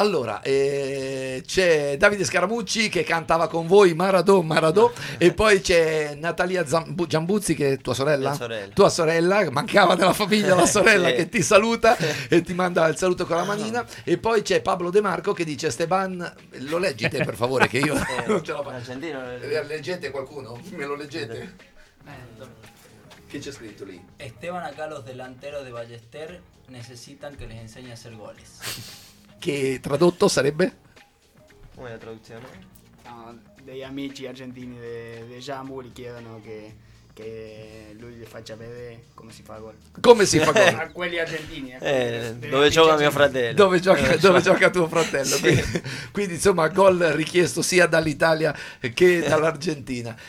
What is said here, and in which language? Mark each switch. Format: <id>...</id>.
<it>Allora, c'è Davide Scaramucci che cantava con voi Maradò, e poi c'è Natalia Giambuzzi, che è tua sorella? Tua sorella, mancava nella famiglia la sorella, sì. Che ti saluta e ti manda il saluto con la manina. E poi c'è Pablo De Marco che dice: Esteban, lo leggi te per favore, che io non ce la faccio. Leggete qualcuno, me lo leggete.</it> <es>¿Qué te ha escrito ahí? Esteban, acá los delanteros de Ballester necesitan que les enseñe a hacer goles. ¿Qué traducto sería? Buena traducción.</es> <it>De amici argentini de Jambu le chiedono que lui le faccia vedere come si fa gol. Come si fa gol? A quelli argentini. Dove gioca mio fratello. Dove gioca tuo fratello. Sì. Quindi insomma, gol richiesto sia dall'Italia che dall'Argentina.</it>